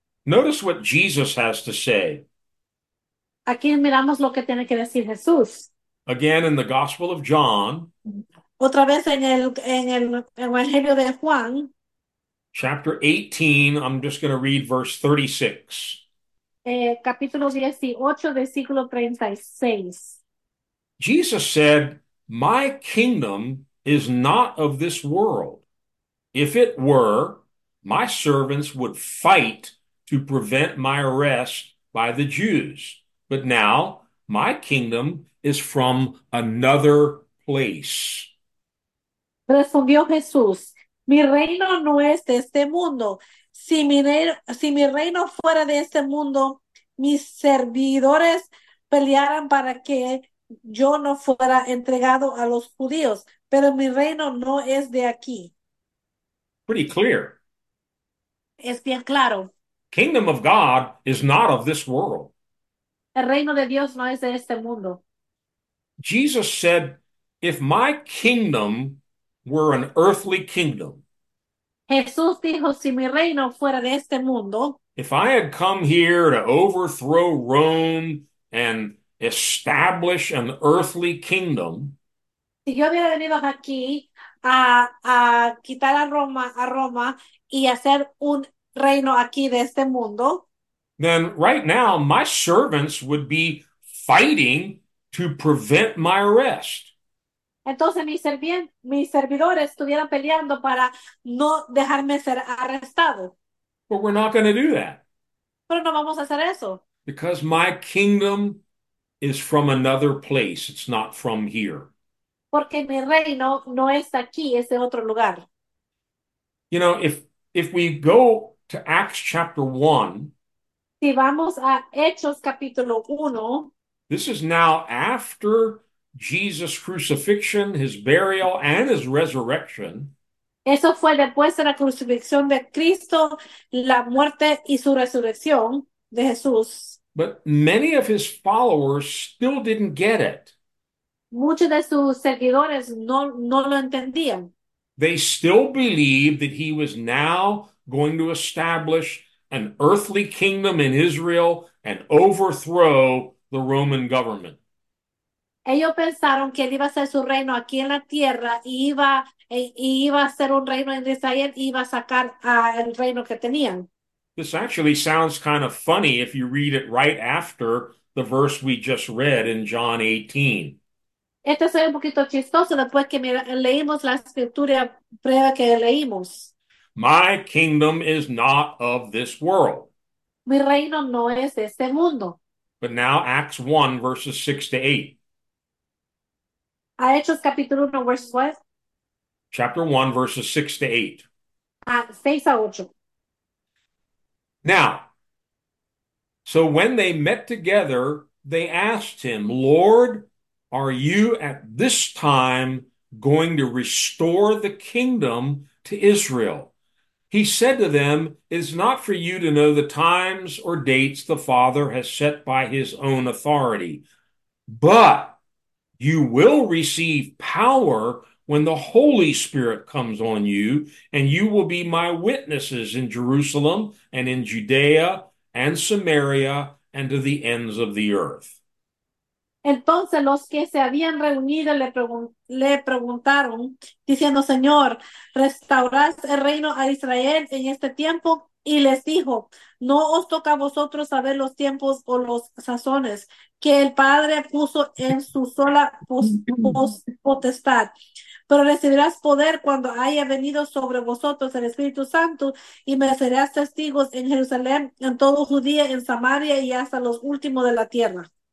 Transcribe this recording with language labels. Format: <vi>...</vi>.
<en>Notice what Jesus has to say.</en> <es>Aquí miramos lo que tiene que decir Jesús.</es> <en>Again, in the Gospel of John,</en> <es>Otra vez en el Evangelio de Juan.</es> <en>chapter 18, I'm just going to read verse 36.</en> <es>Capítulo 18, versículo 36.</es> <en>Jesus said, My kingdom is not of this world. If it were, my servants would fight to prevent my arrest by the Jews. But now my kingdom is from another place.</en> <es>Respondió Jesús: Mi reino no es de este mundo. Si mi reino fuera de este mundo, mis servidores pelearan para que yo no fuera entregado a los judíos, pero mi reino no es de aquí.</es> <en>Pretty clear.</en> <es>Es bien claro.</es> <en>Kingdom of God is not of this world.</en> <es>El reino de Dios no es de este mundo.</es> <en>Jesus said, if my kingdom were an earthly kingdom,</en> <es>Jesús dijo, si mi reino fuera de este mundo,</es> <en>if I had come here to overthrow Rome and establish an earthly kingdom,</en> <es>si yo hubiera venido aquí a quitar a Roma y hacer un reino aquí de este mundo,</es> <en>then right now my servants would be fighting to prevent my arrest.</en> <es>entonces mis servidores estuvieran peleando para no dejarme ser arrestado.</es> <en>But we're not going to do that</en> <es>Pero no vamos a hacer eso.</es> <en>because my kingdom is from another place. It's not from here.</en> <es>Porque mi reino no es aquí, es de otro lugar.</es> <en>You know, if we go to Acts chapter 1,</en> <es>Si vamos a Hechos capítulo 1.</es> <en>this is now after Jesus' crucifixion, his burial, and his resurrection.</en> <es>Eso fue después de la crucifixión de Cristo, la muerte y su resurrección de Jesús.</es> <en>But many of his followers still didn't get it.</en> <es>Muchos de sus seguidores no lo entendían.</es> <en>They still believed that he was now going to establish an earthly kingdom in Israel and overthrow the Roman government.</en> <es>Ellos pensaron que él iba a hacer su reino aquí en la tierra y iba a hacer un reino en Israel y iba a sacar el reino que tenían.</es> <en>This actually sounds kind of funny if you read it right after the verse we just read in John 18.</en> <es>Esto se ve un poquito chistoso después que leímos la escritura previa que leímos.</es> <en>My kingdom is not of this world.</en> <es>Mi reino no es de este mundo.</es> <en>But now Acts 1, verses 6 to 8.</en> <es>A Hechos capítulo 1,</es> <en>verses what? Chapter 1, verses 6 to 8.</en> <es>A 6 a 8.</es> <en>Now, so when they met together, they asked him, Lord, are you at this time going to restore the kingdom to Israel? He said to them, it is not for you to know the times or dates the Father has set by his own authority, but you will receive power when the Holy Spirit comes on you, and you will be my witnesses in Jerusalem and in Judea and Samaria and to the ends of the earth.</en> <es>Entonces los que se habían reunido le preguntaron, diciendo, Señor, ¿restaurás el reino a Israel en este tiempo? Y les dijo, no os toca a vosotros saber los tiempos o los sazones que el Padre puso en su sola potestad, pero recibirás poder cuando haya venido sobre vosotros el Espíritu Santo y me serás testigos en Jerusalén, en todo Judía, en Samaria y hasta los últimos de la tierra.</es>